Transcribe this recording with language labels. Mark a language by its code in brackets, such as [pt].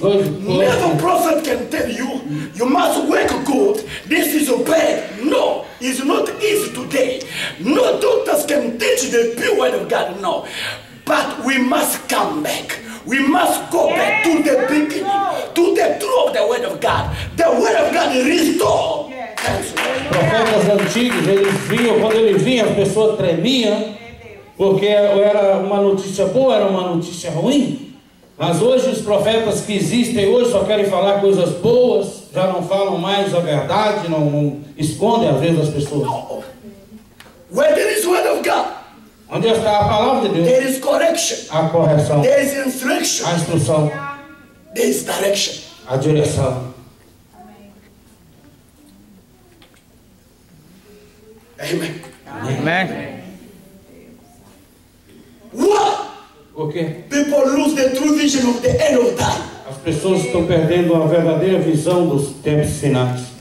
[en] Never prophet can tell you, you must work good, this is bad. No, it's not easy today. No doctors can teach the pure word of God, no. But we must come back. We must go back to the beginning, to the truth of the word of God. The word of God is restored. [pt] Profetas antigos, eles vinham, quando ele vinha, as pessoas tremiam, porque era uma notícia boa, era uma notícia ruim. Mas hoje os profetas que existem hoje só querem falar coisas boas, já não falam mais a verdade, não escondem às vezes as pessoas. [en] Where is the word of God? [pt] Onde está a palavra de Deus? [en] There is correction. [pt] A correção. [en] There is instruction. [pt] A instrução. [en] There is direction. [pt] A direção. Amen. Amen. [en] What? Okay. People lose the true vision of the end of time. [pt] As pessoas estão perdendo a verdadeira visão dos tempos finais.